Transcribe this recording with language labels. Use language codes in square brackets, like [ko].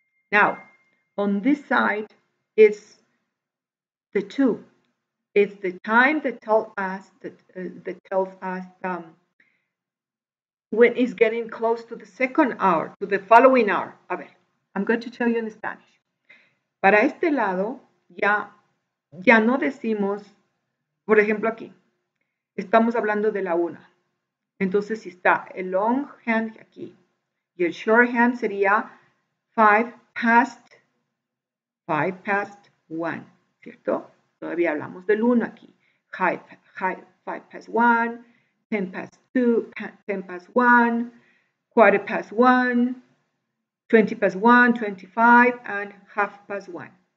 [en] Now, on this side is the 2. It's the time that tells us when it's getting close to the second hour, to the following hour. [es] A ver, [en] I'm going to tell you in Spanish. [es] Para este lado, ya no decimos, por ejemplo aquí, estamos hablando de la una. Entonces, si está el long hand aquí y el short hand sería [en] 5 past 1, [es] ¿cierto? Todavía hablamos del uno aquí. [en] 5 past 1, 10 past 1, quarter past 1, 20 past 1, 25, and half past 1.